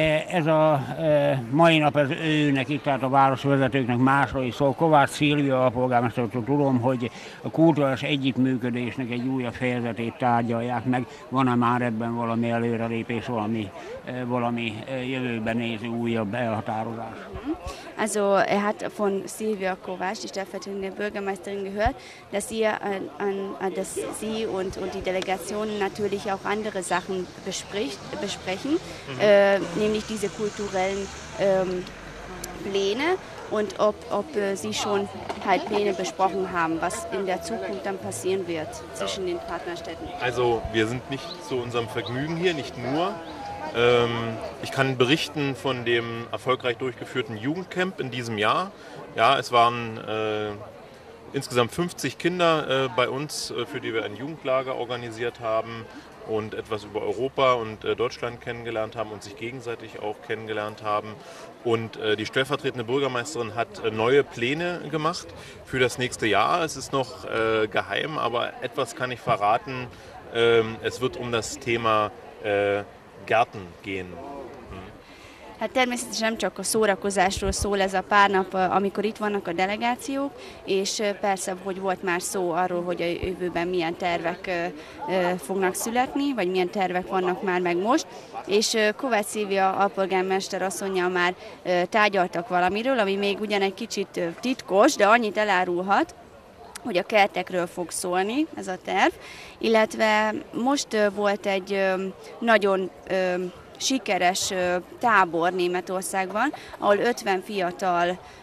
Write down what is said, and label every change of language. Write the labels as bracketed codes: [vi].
[hu] Ez a mai nap az őnek, itt tehát a városvezetőknek másra is szól. Kovács Szilvia, a polgármestertől tudom, hogy a kulturális együttműködésnek egy újabb fejezetét tárgyalják meg. Van-e már ebben valami előrelépés, valami jövőben néző újabb elhatározás? [de] Also, er hat von Silvia Kovács, die stellvertretende Bürgermeisterin, gehört, dass sie, dass sie und die Delegation natürlich auch andere Sachen besprechen, nämlich diese kulturellen Pläne und ob sie schon halt Pläne besprochen haben, was in der Zukunft dann passieren wird zwischen den Partnerstädten. Also wir sind nicht zu unserem Vergnügen hier, nicht nur. Ich kann berichten von dem erfolgreich durchgeführten Jugendcamp in diesem Jahr. Ja, es waren insgesamt 50 Kinder bei uns, für die wir ein Jugendlager organisiert haben und etwas über Europa und Deutschland kennengelernt haben und sich gegenseitig auch kennengelernt haben. Und die stellvertretende Bürgermeisterin hat neue Pläne gemacht für das nächste Jahr. Es ist noch geheim, aber etwas kann ich verraten. Es wird um das Thema Gärten gehen. [hu] Hát természetesen nem csak a szórakozásról szól ez a pár nap, amikor itt vannak a delegációk, és persze, hogy volt már szó arról, hogy a jövőben milyen tervek fognak születni, vagy milyen tervek vannak már meg most. És Kovács Szilvia, a polgármester asszonnyal már tárgyaltak valamiről, ami még ugyan egy kicsit titkos, de annyit elárulhat, hogy a kertekről fog szólni ez a terv, illetve most volt egy nagyon sikeres tábor Németországban, ahol 50 fiatal,